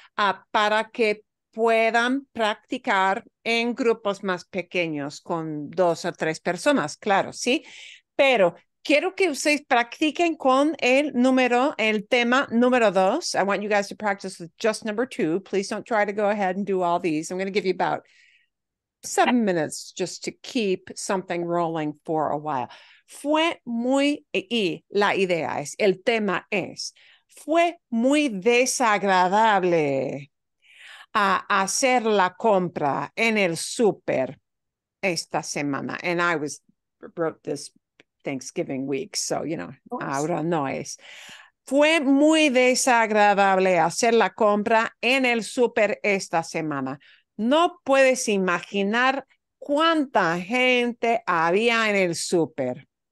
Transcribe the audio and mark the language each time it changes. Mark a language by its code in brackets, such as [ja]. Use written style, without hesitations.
[es] Para que puedan practicar en grupos más pequeños con 2 o 3 personas, claro, ¿sí? Pero... quiero que ustedes practiquen con el tema número 2. [en] I want you guys to practice with just number 2. Please don't try to go ahead and do all these. I'm going to give you about 7 minutes just to keep something rolling for a while. [es] Fue muy, y la idea es, el tema es, fue muy desagradable a hacer la compra en el súper esta semana. [en] And I was, wrote this Thanksgiving week, so, you know, [es] ahora no es. Fue muy desagradable hacer la compra en el súper esta semana. No puedes imaginar cuánta gente había en el súper.